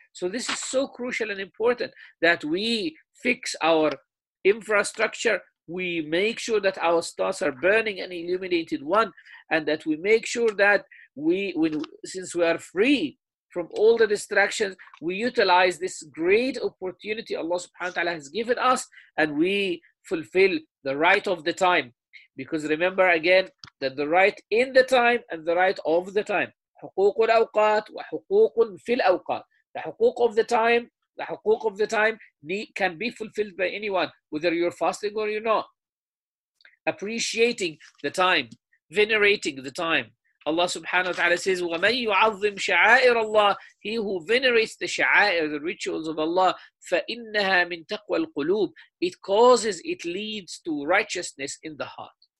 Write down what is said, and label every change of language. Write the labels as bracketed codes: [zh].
[en] So this is so crucial and important that we fix our infrastructure, we make sure that our stars are burning and illuminated one, and that we make sure that since we are free from all the distractions, we utilize this great opportunity Allah subhanahu wa ta'ala has given us, and we fulfill the right of the time. Because remember again, that the right in the time and the right of the time. [ar] حقوق الأوقات وحقوق في الأوقات. [en] The حقوق of the time, the حقوق of the time can be fulfilled by anyone, whether you're fasting or you're not. Appreciating the time, venerating the time. Allah subhanahu wa ta'ala says, [ar] وَمَنْ يُعَظِّمْ شَعَائِرَ اللَّهِ, [en] he who venerates the شَعَائِر, the rituals of Allah, [ar] فَإِنَّهَا مِنْ تَقْوَى الْقُلُوبِ, [en] it causes, it leads to righteousness in the heart.